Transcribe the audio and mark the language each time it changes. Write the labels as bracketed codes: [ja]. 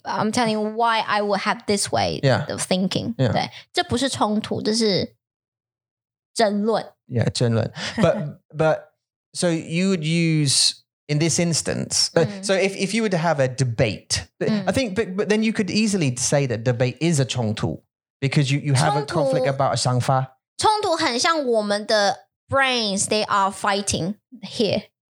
[en] I'm telling you why I would have this way of thinking. Yeah. [zh] 对，这不是冲突，这是争论。 [en] Yeah, 争论。But, so you would use... In this instance, so if you were to have a debate, I think, but then you could easily say that debate is a 冲突 because you have a conflict about a 想法 [zh] 冲突很像我们的 [en] brains, they are fighting here.